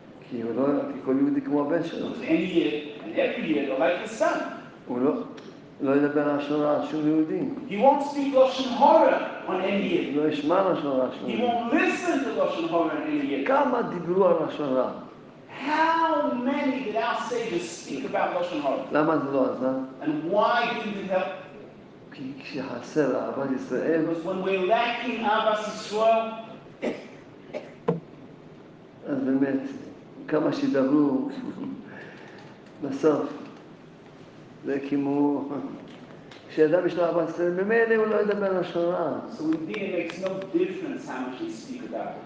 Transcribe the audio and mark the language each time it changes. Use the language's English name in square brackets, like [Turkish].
[Hebrew] כי הוא לא, כי כל יהודי כמו הבן שלו. [English] And every year, he'll like his son. [Hebrew] הוא לא ידבר לשון רע על שום יהודי. [English] He won't speak Lashon Hara on any year. [Hebrew] הוא לא ישמע לשון רע על שום יהודי. [English] He won't listen to Lashon Hara on any year. [Hebrew] כמה דיברו על לשון רע? [English] How many did our sages speak about Lashon Hara? [Hebrew] למה זה לא עזר? [English] And why didn't it help? [Hebrew] כי כשחסר אהבת ישראל, [English] because when we're lacking אהבת ישראל, [Hebrew] אז באמת, כמה שידברו בסוף זה כמו כשאדם יש לו אהבת ישראל ממילא הוא לא ידבר על לשון הרע. [English] So indeed it makes no difference how much you speak about it.